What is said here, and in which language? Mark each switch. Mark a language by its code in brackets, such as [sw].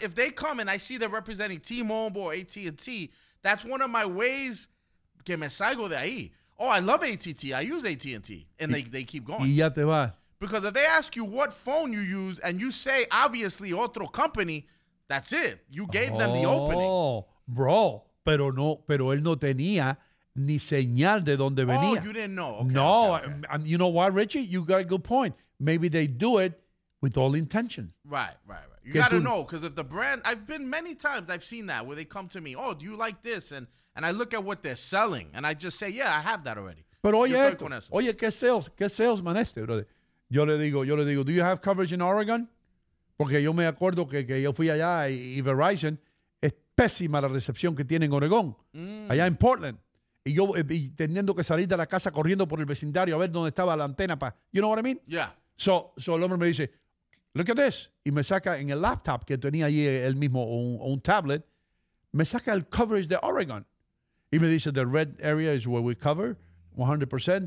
[en] If they come and I see they're representing T-Mobile or AT&T, that's one of my ways [es] que me salgo de ahí. [en] Oh, I love AT&T. I use AT&T. And they keep going. [es] Y ya te vas. [en] Because if they ask you what phone you use and you say, obviously, otro company, that's it. You gave them the opening. Oh, bro. [es] Pero él no tenía ni señal de dónde venía. [en] Oh, you didn't know. Okay, no. Okay. And you know what, Richie? You got a good point. Maybe they do it with all intention. Right. You got to know. Because if the brand, I've been many times, I've seen that where they come to me, oh, do you like this? And I look at what they're selling, and I just say, yeah, I have that already. [es] Pero oye, oye, ¿qué salesman este, brother? Yo le digo, [en] do you have coverage in Oregon? [es] Porque yo me acuerdo que yo fui allá y Verizon, es pésima la recepción que tiene en Oregón, allá en Portland. Y yo teniendo que salir de la casa corriendo por el vecindario a ver dónde estaba la antena. [en] You know what I mean? Yeah. [es] So el hombre me dice, [en] look at this. [es] Y me saca en el laptop que tenía allí él mismo un tablet, me saca el coverage de Oregon. Y me dice, [en] the red area is where we cover 100%.